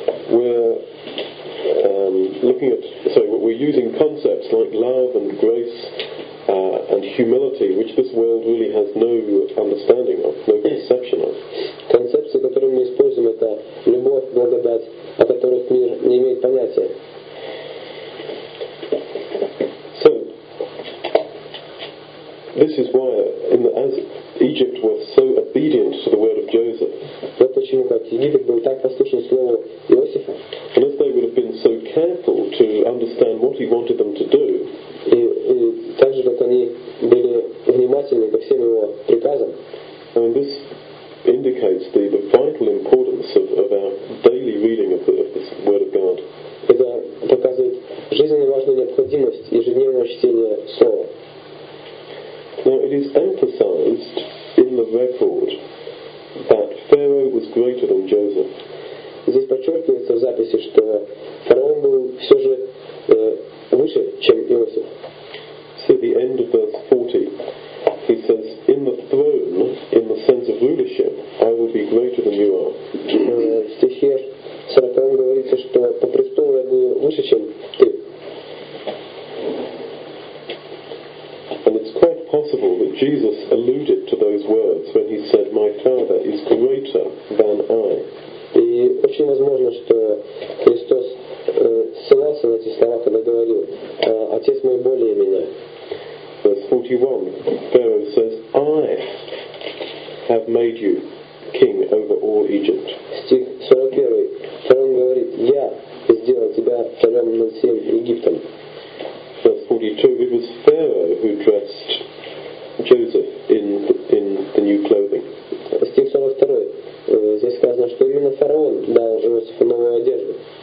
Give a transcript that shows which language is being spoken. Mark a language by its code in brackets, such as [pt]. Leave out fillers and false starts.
[en] We're using concepts like love and grace and humility, which this world really has no understanding of, no conception of. [ru] Концепции, которые мы используем, это любовь, благодать, о которых мир не имеет понятия. [en] So this is why, in the, as Egypt was so obedient to the word of Joseph. [ru] Вот почему как Египет был так послушен слову Иосифа. [en] Unless they would have been so careful to understand what he wanted them to do. [ru] И так же, как они были внимательны ко всем его приказам. [en] I mean, this indicates the vital importance of our daily reading of this word of God. [ru] Это показывает жизненно важную необходимость ежедневного чтения слова. [en] Now it is emphasized in the record that Pharaoh was greater than Joseph. [ru] Здесь подчеркивается в записи, что фараон был все же выше, чем Иосиф. [en] So the end of verse 40, he says, "In the throne, in the sense of rulership, I will be greater than you are." [ru] В стихе 40 говорится, что по престолу я буду выше, чем ты. [en] Possible that Jesus alluded to those words when he said, "My Father is greater than I." [ru] И очень возможно, что Христос ссылался на эти слова, когда говорил, "Отец мой более меня." [en] Verse 41, Pharaoh says, "I have made you king over all Egypt." [ru] Стих 41, фараон говорит, "Я сделал тебя царем над всем Египтом." [en] Verse 42, it was Pharaoh who dressed Joseph in the new clothing. [ru] Стих 42. Здесь сказано, что именно фараон дал Иосифу новую одежду.